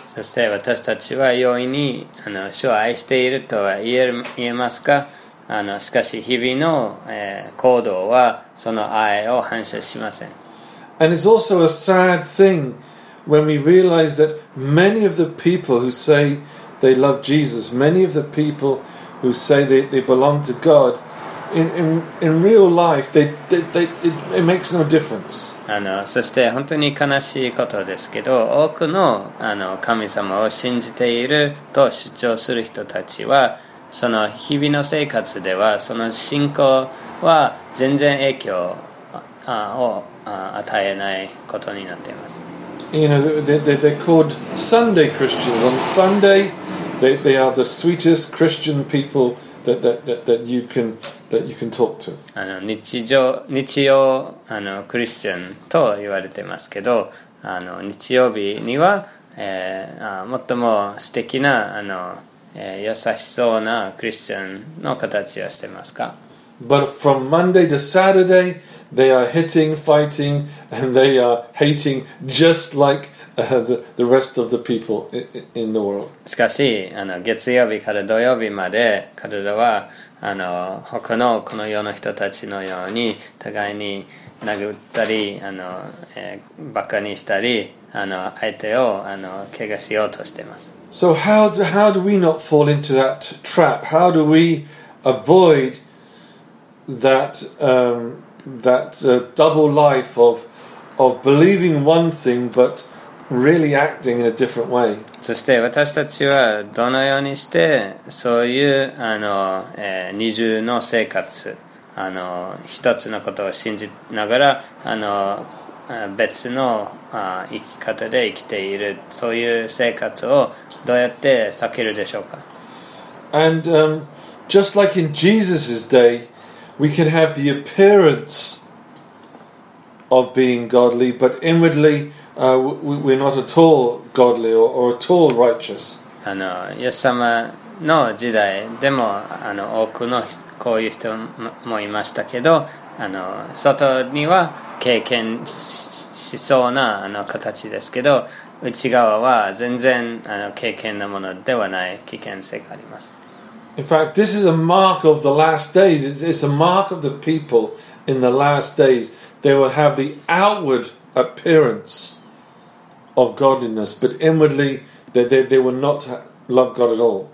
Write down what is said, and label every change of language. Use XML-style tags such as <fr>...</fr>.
<ja>そして私たちは容易に、あの、主を愛しているとは言えますか？あの、しかし日々の、行動はその愛を反射しません。</ja> <en>And it's also a sad thing when we realize that many of the people who say they love Jesus, many of the people who say they belong to God,In real life, it makes no difference.</en> <ja>あの、そして本当に悲しいことですけど、多くの、あの、神様を信じていると主張する人たちは、その日々の生活ではその信仰は全然影響を与えないことになっています。</ja> <en>You know, they're called Sunday Christians. On Sunday, they are the sweetest Christian people that you can talk to.</en> <ja>あの日常日曜あのクリスチャンと言われてますけど、あの日曜日には、最も素敵なあの、優しそうなクリスチャンの形をしてますか。</ja> <en>But from Monday to Saturday, they are hitting, fighting, and they are hating just like the rest of the people in the world.</en> <ja>しかし、あの月曜日から土曜日まで彼らはあの他のこの世の人たちのように互いに殴ったりあの、バカにしたりあの相手をあの怪我しようとしています。</ja> <en>So how do we not fall into that trap? How do we avoid? double life of believing one thing but really acting in a different way.</en> <ja>そして私たちはどのようにしてそういうあの、二重の生活あの一つのことを信じながらあの別のあ生き方で生きているそういう生活をどうやって避けるでしょうか。</ja> <en>And、just like in Jesus' dayWe can have the appearance of being godly, but inwardly, we're not at all godly or at all righteous.</en> <ja>あの、イエス様の時代でも、あの、多くのこういう人もいましたけど、あの、外には経験しそうなあの形ですけど、内側は全然あの経験のものではない危険性があります。</ja> <en>In fact, this is a mark of the last days. It's a mark of the people in the last days. They will have the outward appearance of godliness, but inwardly, they will not love God at all.</en>